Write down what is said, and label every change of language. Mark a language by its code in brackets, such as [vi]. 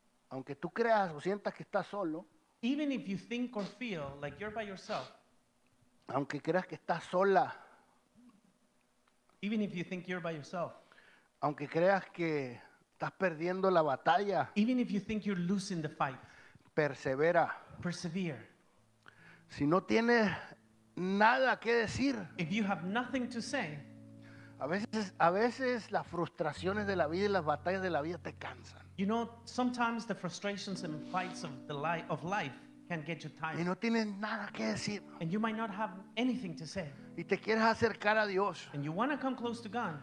[es] Aunque tú creas o sientas que estás solo. [en] Even if you think or feel like you're by yourself. [es] Aunque creas que estás sola. [en] Even if you think you're by yourself. [es] Aunque creas que estás perdiendo la batalla. [en] Even if you think you're losing the fight. [es] Persevera. [en] Persevere. [es] Si no tienes nada que decir. [en] If you have nothing to say. [es] A veces las frustraciones de la vida y las batallas de la vida te cansan. [en] You know, sometimes the frustrations and fights of life can get you tired. [es] Y no tienes nada que decir. [en] And you might not have anything to say. [es] Y te quieres acercar a Dios. [en] And you want to come close to God.